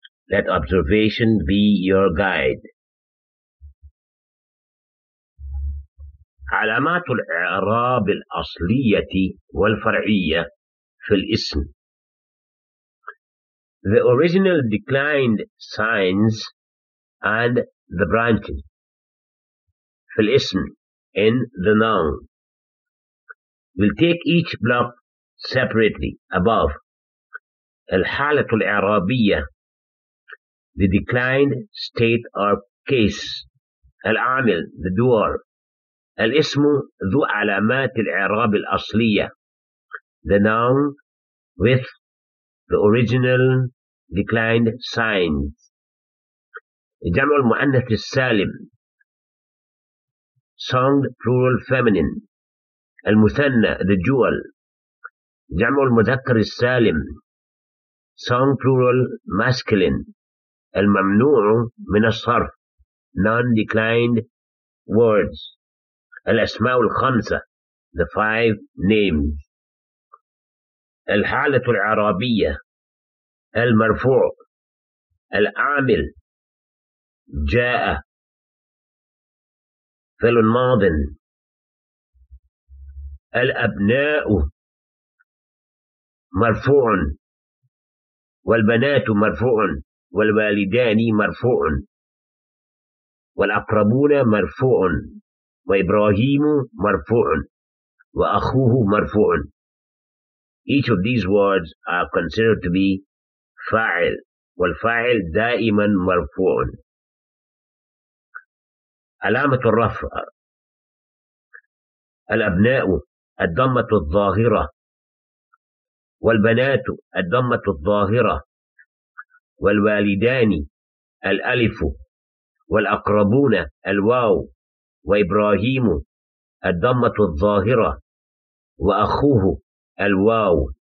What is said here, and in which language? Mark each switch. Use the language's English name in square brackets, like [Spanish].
[English] Let observation be your guide. [Arabic] علامات الإعراب الأصلية والفرعية في الاسم. [English] The original declined signs and the branches. [Arabic] في الاسم [English] in the noun. We'll take each block separately above. [Arabic] الحالة الإعرابية. [English] The declined state or case. [Arabic] العامل [English] the doer. [Arabic] الاسم ذو علامات الإعراب الأصلية. [English] The noun with the original declined signs. [Arabic] جمع المؤنث السالم. [English] Sound plural feminine. [Arabic] المثنى [English] the jewel. [Arabic] جمع المذكر السالم. [English] Sound plural masculine. [Arabic] الممنوع من الصرف. [English] Non-declined words. [Arabic] الأسماء الخمسة [English] the five names. [Arabic] الحالة العربية المرفوع العامل جاء فعل ماض الأبناء مرفوع والبنات مرفوع والوالدان مرفوع والأقربون مرفوع وإبراهيم مرفوع وأخوه مرفوع. [English] Each of these words are considered to be [Arabic] فاعل والفاعل دائما مرفوع. علامة الرفع الأبناء الضمة الظاهرة والبنات الضمة الظاهرة والوالدان الألف والأقربون الواو وإبراهيم الضمة الظاهرة وأخوه الواو.